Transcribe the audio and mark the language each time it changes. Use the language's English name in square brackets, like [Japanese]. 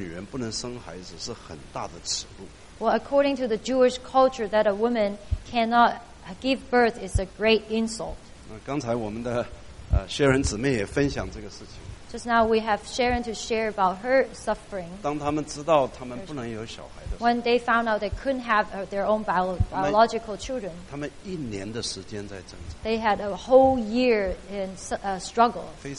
[Chinese] 根据犹太人的这个传统跟犹太人的文化来讲，一个女人啊，一个结婚的女人不能生孩子是很大的耻辱。 [English] Well, according to the Jewish culture, that a woman cannot give birth is a great insult. [Chinese] 刚才我们的薛仁姊妹也分享这个事情。 [English] Just now we have Sharon to share about her suffering. When they found out they couldn't have their own biological children, they had a whole year in struggle.